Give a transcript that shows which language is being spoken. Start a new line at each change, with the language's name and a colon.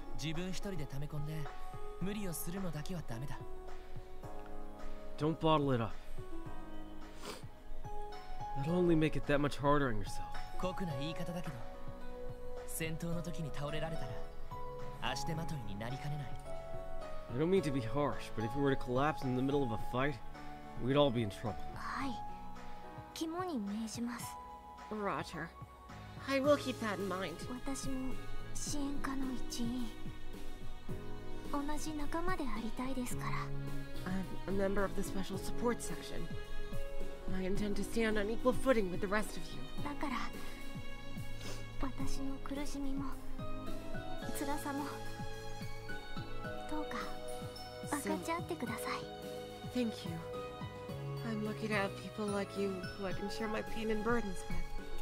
Japanese: 自分一人で溜め込んで無理をするのだけはダメだ.
English: Don't bottle it up. It'll only make it that much harder on yourself.
Japanese: 酷な言い方だけど、戦闘の時に倒れられたら足手まといになりかねない。
English: I don't mean to be harsh, but if we were to collapse in the middle of a fight, we'd all be in trouble.
Japanese: はい、肝に銘じます。
English: Roger. I will keep that in mind.
Japanese: 私も支援課の一員。同じ仲間でありたいですから。
English: I'm a member of the special support section. I intend to stand on equal footing with the rest of you.
Japanese: だから、私の苦しみも辛さもどうか分かち合ってください。
English: Thank you. I'm lucky to have people like you who I can share my pain and burdens with.